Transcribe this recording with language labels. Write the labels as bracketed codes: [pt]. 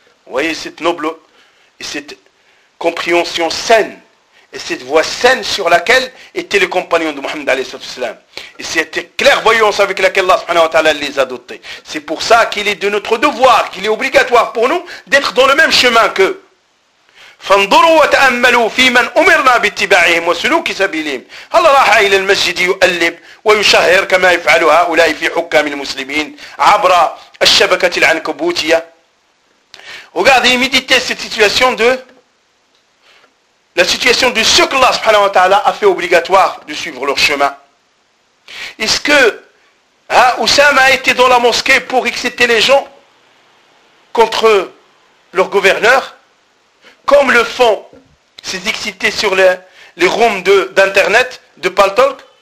[fr] Vous voyez cette noble et cette compréhension saine et cette voix saine sur laquelle était le compagnon de Mohammed alayhi salatu wasalam. Et cette clairvoyance avec laquelle Allah subhanahu wa ta'ala les a dotés. C'est pour ça qu'il est de notre devoir, qu'il est obligatoire pour nous d'être dans le même chemin qu'eux. [ar] فانظروا وتأملوا في من أمرنا باتباعهم وسلوك سبيلهم هل راح إلى المسجد يؤلم ويشهر كما يفعل هؤلاء في حكام المسلمين عبر الشبكة العنكبوتية [fr] regardez, méditez cette situation de la situation de ce que Allah subhanahu wa ta'ala a fait obligatoire de suivre leur chemin. Est-ce que Oussama a été dans la mosquée pour exciter les gens contre leur gouverneur comme le font ces excités sur les rooms d'internet de Paltalk?